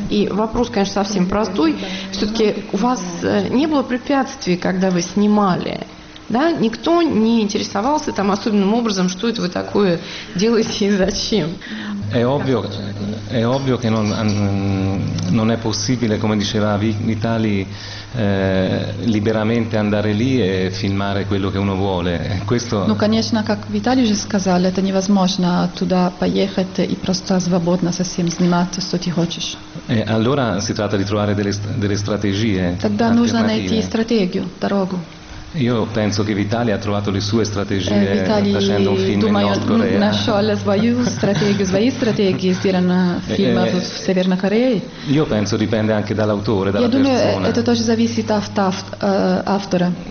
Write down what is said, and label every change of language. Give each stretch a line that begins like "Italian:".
Russian: И вопрос, конечно, совсем простой. Все-таки у вас не было препятствий, когда вы снимали? Да, никто не интересовался там особенным образом, что это вы такое делаете и зачем.
Italian: È ovvio che non è possibile, come diceva Vitali, liberamente andare lì e filmare quello che uno vuole. Questo.
Russian: Ну, конечно, как Виталий уже сказал, это невозможно туда поехать и просто свободно совсем снимать, что ты хочешь.
Italian: Allora si tratta di trovare delle strategie.
Russian: Тогда нужно найти стратегию, дорогу.
Italian: Io penso che Vitali ha trovato le sue strategie facendo un film
Russian: думаю,
English: in North Korea.
Russian: Нашел свою стратегию, свои стратегии, сделано фильм в Северной Корее.
Italian: Io penso dipende anche dall'autore, dalla persona.
Russian: Я думаю, это тоже зависит от автора.